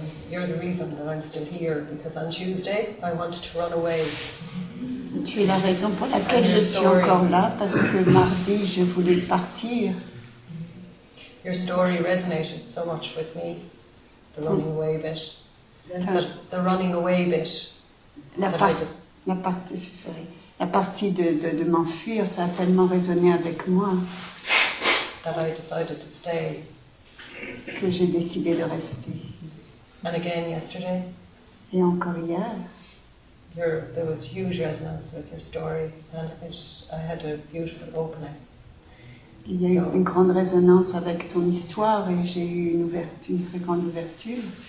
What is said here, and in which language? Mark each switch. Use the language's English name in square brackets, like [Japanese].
[English] You're the reason that I'm still here, because on Tuesday I wanted to run away. [French] Tu es la raison pour laquelle je suis encore là, parce que mardi je voulais partir. [English] Your story resonated so much with me, the running away bit. The running away bit. [French] La partie de m'enfuir, ça a tellement résonné avec moi. [English] That I decided to stay. [French] Que j'ai décidé de rester. [English] And again yesterday. [French] Et encore hier. [English] There was huge resonance with your story, and I had a beautiful opening. [French] Il y a eu une grande résonance avec ton histoire et j'ai eu une très grande ouverture.